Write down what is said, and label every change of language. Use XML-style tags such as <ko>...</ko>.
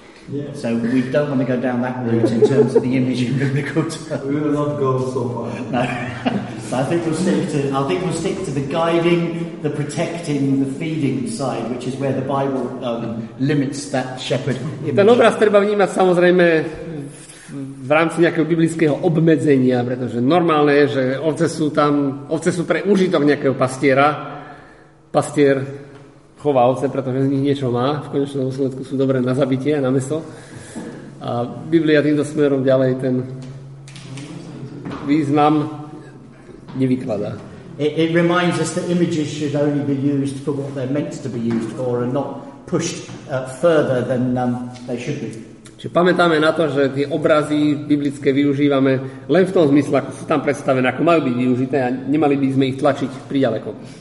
<en>Yeah. So we don't want to go down that route in terms of the image of biblical terms. We will not go so far. No. So I think we'll stick to the guiding, the protecting, the feeding side, which is where the Bible limits that shepherd image.</en> <sk>Ten obraz treba vnímať samozrejme v rámci nejakého biblického obmedzenia, pretože normálne je, že ovce sú pre užitok nejakého pastiera. Pastier chová ovce, pretože z nich niečo má. V konečnom dôsledku sú dobré na zabitie a na mäso. A Biblia týmto smerom ďalej ten význam nevykladá.</sk> <en>It reminds us that images should only be used for what they're meant to be used for and not pushed further than they should be.</en> <sk>Čiže pamätáme na to, že tie obrazy biblické využívame len v tom zmysle, ako sú tam predstavené, ako majú byť využité a nemali by sme ich tlačiť priďaleko.</sk>